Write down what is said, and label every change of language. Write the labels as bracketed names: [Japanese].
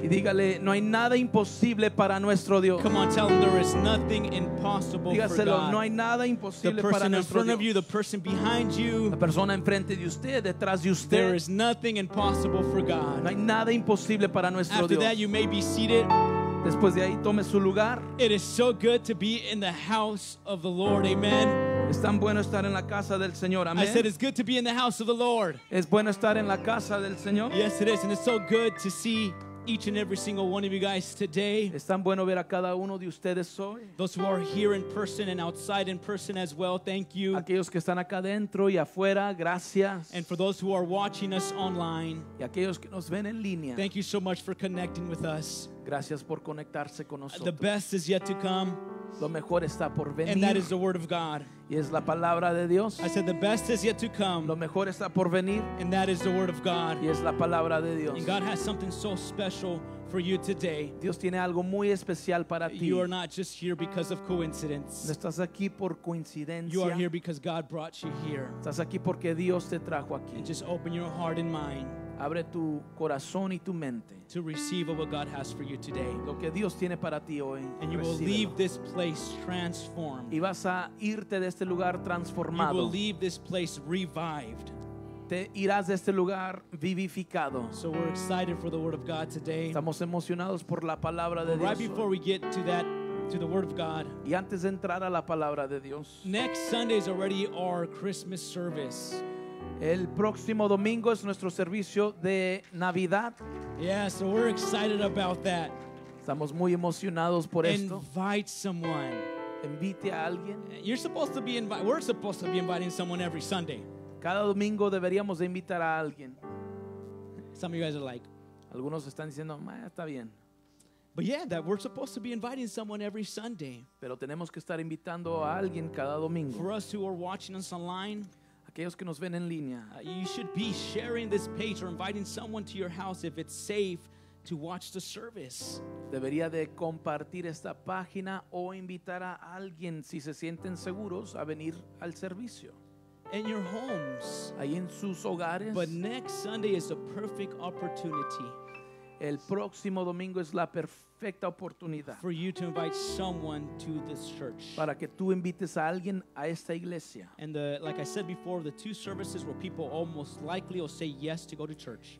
[Spanish] Y dígale, no hay nada imposible para nuestro Dios. [English] Come on, tell them there is nothing impossible [Spanish] Dígaselo, [English] for God. [Spanish] No hay nada imposible para nuestro Dios. [English] The person in front of you, the person behind you. [Spanish] La persona enfrente de usted, detrás de usted. [English] There is nothing impossible for God. [Spanish] No hay nada imposible para nuestro [English] After [Spanish] Dios. [English] After that, you may be seated. [Spanish] Después de ahí, tome su lugar. [English] It is so good to be in the house of the Lord. Amen. [Spanish] Es tan bueno estar en la casa del Señor. Amen. [English] I said it's good to be in the house of the Lord. [Spanish] Es bueno estar en la casa del Señor. [English] Yes, it is. And it's so good to see each and every single one of you guys today. [Spanish] Es tan bueno ver a cada uno de ustedes hoy. [English] Those who are here in person and outside in person as well, thank you. [Spanish] Aquellos que están acá dentro y afuera, gracias. [English] And for those who are watching us online, [Spanish] y aquellos que nos ven en línea, [English] thank you so much for connecting with us. [Spanish] Gracias por conectarse con nosotros. [English] The best is yet to come. [Spanish] Lo mejor está por venir. [English] And that is the word of God. [Spanish] Y es la palabra de Dios. [English] I said the best is yet to come. [Spanish] Lo mejor está por venir. [English] And that is the word of God. [Spanish] Y es la palabra de Dios. [English] And God has something so special for you today. [Spanish] Dios tiene algo muy especial para ti. [English] You are not just here because of coincidence. [Spanish] No estás aquí por coincidencia. [English] You are here because God brought you here. [Spanish] Estás aquí porque Dios te trajo aquí. [English] And just open your heart and mind. [Spanish] Abre tu corazón y tu mente. [English] To receive what God has for you today. [Spanish] Lo que Dios tiene para ti hoy. [English] And you [Spanish] recíbelo. [English] Will leave this place transformed. [Spanish] Y vas a irte de este lugar transformado. [English] You will leave this place revived. [Spanish] Te irás de este lugar vivificado. [English] So we're excited for the word of God today. [Spanish] Estamos emocionados por la palabra de Dios. [English] Right before we get to that, to the word of God. [Spanish] Y antes de entrar a la palabra de Dios. [English] Next Sunday is already our Christmas service. [Spanish] El próximo domingo es nuestro servicio de Navidad. [English] Yeah, so we're excited about that. [Spanish] Estamos muy emocionados por [English] Invite [Spanish] esto. [English] Invite someone. [Spanish] Invite a alguien. [English] You're supposed to be invite. We're supposed to be inviting someone every Sunday. [Spanish] Cada domingo deberíamos de invitar a alguien. [English] Some of you guys are like. [Spanish] Algunos están diciendo, está bien. [English] But yeah, that we're supposed to be inviting someone every Sunday. [Spanish] Pero tenemos que estar invitando a alguien cada domingo. [English] For us who are watching us online. [Spanish] Aquellos que nos ven en línea. [English] You should be sharing this page or inviting someone to your house if it's safe to watch the service. [Spanish] Debería de compartir esta página o invitar a alguien si se sienten seguros a venir al servicio. [English] In your homes, [Spanish] ahí en sus hogares. [English] But next Sunday is the perfect opportunity. [Spanish] El próximo domingo es la perfecta oportunidad [English] for you to invite someone to this church. [Spanish] Para que tú invites a alguien a esta iglesia. [English] And the, like I said before, the two services where people almost likely will say yes to go to church.